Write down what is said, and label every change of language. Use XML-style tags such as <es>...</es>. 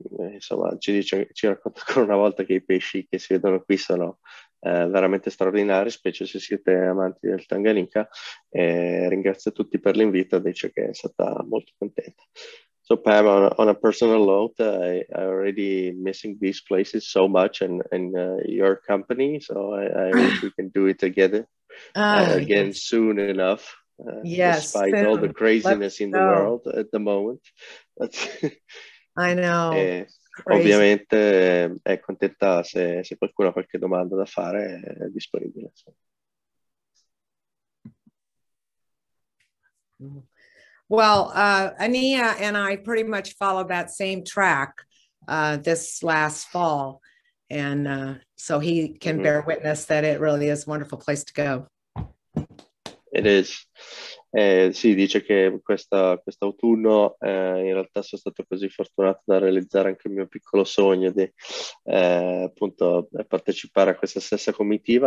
<it>Insomma, ci racconta ancora una volta che i pesci che si vedono qui sono veramente straordinari, specie se siete amanti del Tanganyika. Ringrazio a tutti per l'invito, dice che è stata molto contenta.</it> <en>So Pam, on a personal note, I already missing these places so much and your company. So I wish we can do it together again soon enough. Yes. Despite soon. All the craziness Let's in go. The world at the moment. But I know.</en> <it>Ovviamente è contenta se qualcuno ha qualche domanda da fare, è disponibile.</it> <en>So. Well, Ania and I pretty much followed that same track this last fall. And so he can bear witness that it really is a wonderful place to go. It is.</en> <it>Sì, dice che quest'autunno in realtà sono stato così fortunato da realizzare anche il mio piccolo sogno di appunto partecipare a questa stessa comitiva.</it>